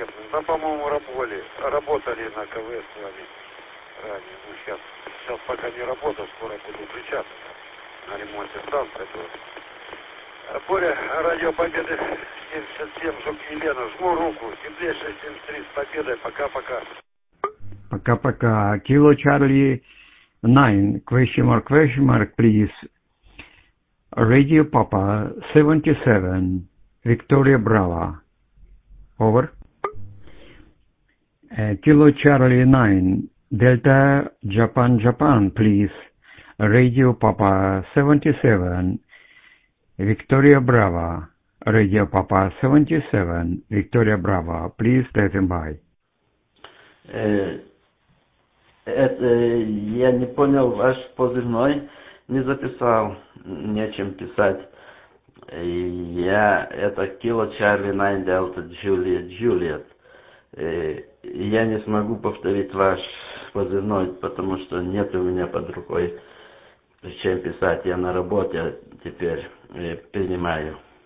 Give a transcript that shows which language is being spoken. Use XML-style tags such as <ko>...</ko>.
<ru>Там, по-моему, работали на КВС с вами ранее. Ну, сейчас пока не работал, скоро буду причастен на ремонте станции. Боря, Радио Победы 77, Жук Елена, жму руку. Теплейшая 73, с Победой, пока-пока. Пока-пока.</ru> <en>Кило Чарли 9, question mark, please. Радио Папа 77, Виктория Брава. Over. Kilo Charlie 9, Delta Japan Japan, please. Radio Papa 77, Victoria Brava. Radio Papa 77, Victoria Brava, please stand by.</en> <ru>Я не понял ваш позывной, не записал, нечем писать. Я это Kilo Charlie 9, Delta Juliet. Я не смогу повторить ваш позывной, потому что нет у меня под рукой, чем писать. Я на работе теперь принимаю.</ru>